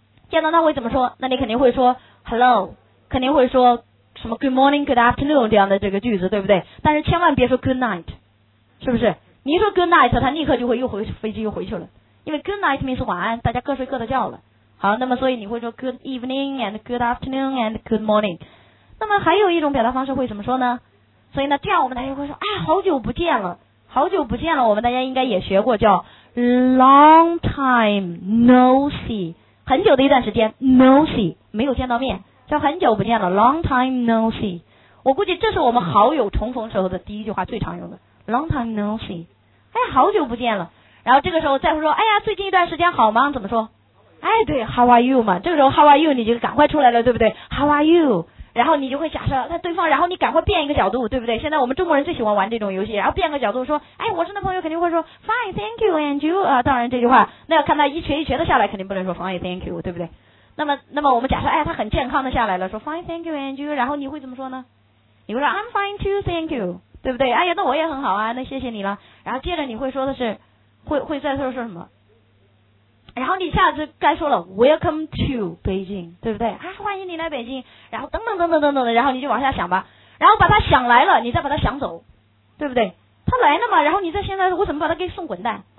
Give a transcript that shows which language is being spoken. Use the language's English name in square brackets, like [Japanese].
[Chinese] 见到他会怎么说？那你肯定会说 hello， 肯定会说什么 [English] good morning good afternoon [Chinese] 这样的这个句子，对不对？但是千万别说 [English] good night， [Chinese] 是不是？你说 good night， 他立刻就会又回飞机又回去了，因为 [English] good night means [Chinese] 晚安，大家各睡各的觉了。好，那么所以你会说 [English] good evening and good afternoon and good morning。 [Chinese] 那么还有一种表达方式会怎么说呢？所以呢，这样我们大家会说，哎，好久不见了，好久不见了。我们大家应该也学过叫 [English] long time no see， [Chinese] 很久的一段时间 no see， 没有见到面，叫很久不见了 long time no see。我估计这是我们好友重逢时候的第一句话最常用的。 [English] Long time no see， [Chinese] 哎，好久不见了。然后这个时候再会说，哎呀，最近一段时间好吗？怎么说？哎，对 ， [English] How are you [Chinese] 嘛？这个时候 How are you 你就赶快出来了，对不对 ？How are you？然后你就会假设那对方，然后你赶快变一个角度，对不对？现在我们中国人最喜欢玩这种游戏，然后变个角度说，哎，我是那朋友，肯定会说 [English] Fine, thank you, and you [Chinese] 啊。当然这句话，那要看他一瘸一瘸的下来，肯定不能说 [English] Fine, thank you， [Chinese] 对不对？那么我们假设，哎，他很健康的下来了，说 [English] Fine, thank you, and you， [Chinese] 然后你会怎么说呢？你会说 [English] I'm fine too, thank you, [Chinese] 对不对？哎呀，那我也很好啊，那谢谢你了。然后接着你会说的是，会再说什么？然后你下次该说了 [English] Welcome to Beijing, [Chinese] 对不对？啊，欢迎你来北京。然后等等等等等等的，然后你就往下想吧。然后把他想来了，你再把他想走，对不对？他来了嘛，然后你在现在，我怎么把他给送滚蛋？